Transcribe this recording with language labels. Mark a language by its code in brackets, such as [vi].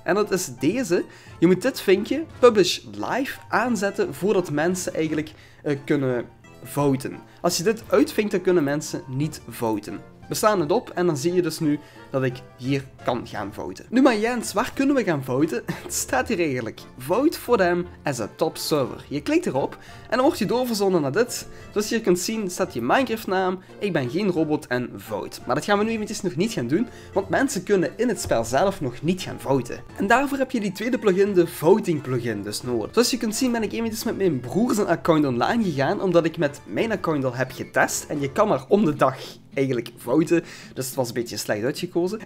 [nl] En dat is deze. Je moet dit vinkje, Publish Live, aanzetten voordat mensen eigenlijk kunnen voten. Als je dit uitvinkt, dan kunnen mensen niet voten. We slaan het op en dan zie je dus nu dat ik hier kan gaan voten. Nu maar Jens, waar kunnen we gaan voten? Het staat hier eigenlijk. [en] Vote for them as a top server. [nl] Je klikt erop en dan word je doorverzonden naar dit. Zoals je kunt zien staat je Minecraft naam, ik ben geen robot en vote. Maar dat gaan we nu eventjes nog niet gaan doen, want mensen kunnen in het spel zelf nog niet gaan voten. En daarvoor heb je die tweede plugin, de voting plugin, dus nodig. Zoals je kunt zien ben ik eventjes met mijn broers een account online gegaan, omdat ik met mijn account al heb getest en je kan maar om de dag eigenlijk voten, dus het was een beetje slecht uitgekozen.